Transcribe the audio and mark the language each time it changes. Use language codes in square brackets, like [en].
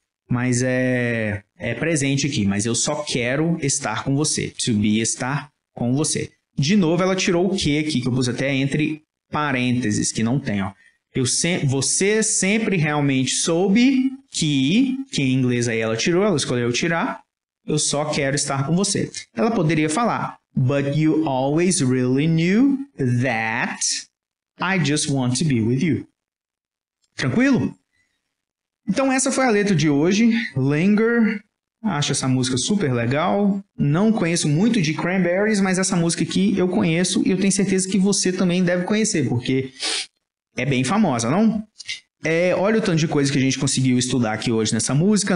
[pt] Mas é presente aqui, mas eu só quero estar com você, to be, estar com você. De novo, ela tirou o que aqui, que eu pus até entre parênteses, que não tem, ó. Você sempre realmente soube, que em inglês aí ela tirou, ela escolheu tirar, eu só quero estar com você. Ela poderia falar, [en] but you always really knew that I just want to be with you. [pt] Tranquilo? Então essa foi a letra de hoje, Linger. Acho essa música super legal. Não conheço muito de Cranberries, mas essa música aqui eu conheço e eu tenho certeza que você também deve conhecer, porque é bem famosa, não? É, olha o tanto de coisa que a gente conseguiu estudar aqui hoje nessa música.